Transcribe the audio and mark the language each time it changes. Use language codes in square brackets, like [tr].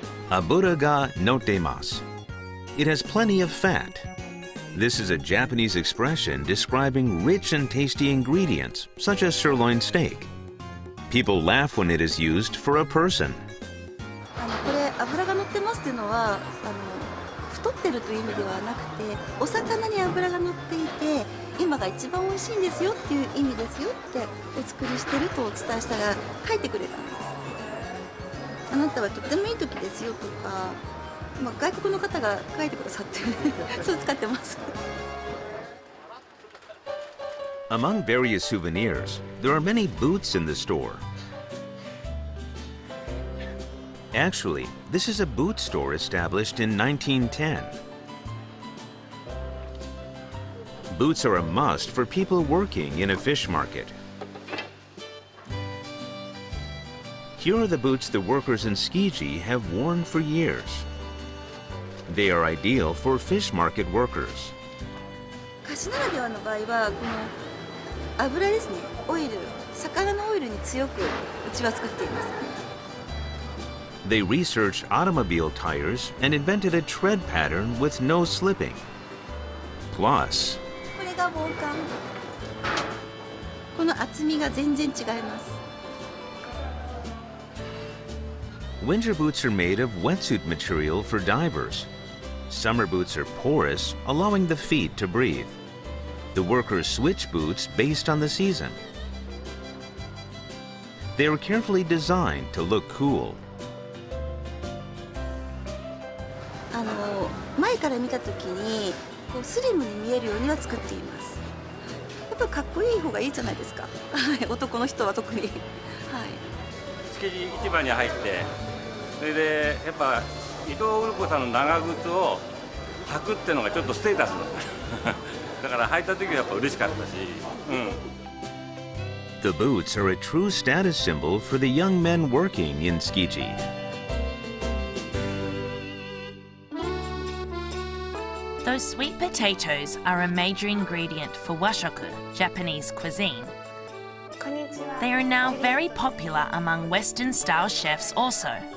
[ja] A Buddha ga notemasu. [en] It has plenty of fat. This is a Japanese expression describing rich and tasty ingredients, such as sirloin steak. People laugh when it is used for a person. [ja] これ、油が乗ってますっていうのは、太ってるという意味ではなくて、お魚に油が乗っていて、今が一番美味しいんですよっていう意味ですよってお作りしてるとお伝えしたら、書いてくれたんです。あなたはとってもいい時ですよとか、まあ、外国の方が書いてくださってそう使ってます。 [en] Among various souvenirs, there are many boots in the store. Actually, this is a boot store established in 1910. Boots are a must for people working in a fish market. Here are the boots the workers in Tsukiji have worn for years. They are ideal for fish market workers. [ja] Kashi ならではの場合は、この油ですね、オイル、魚のオイルに強くうちは作っています。 [en] They researched automobile tires and invented a tread pattern with no slipping. Plus, [ja] これが防寒。この厚みが全然違います。 [en] Winter boots are made of wetsuit material for divers. Summer boots are porous, allowing the feet to breathe. The workers switch boots based on the season. They are carefully designed to look cool. [ja] 前から見たときにこうスリムに見えるようには作っています。やっぱかっこいい方がいいじゃないですか。男の人は特に。はい。築地市場に入って、それでやっぱ伊藤うる子さんの長靴を履くってのがちょっとステータスだった。だから履いた時はやっぱ嬉しかったし。うん。 [en] The boots are a true status symbol for the young men working in Tsukiji. Though sweet potatoes are a major ingredient for washoku, Japanese cuisine, they are now very popular among Western-style chefs also.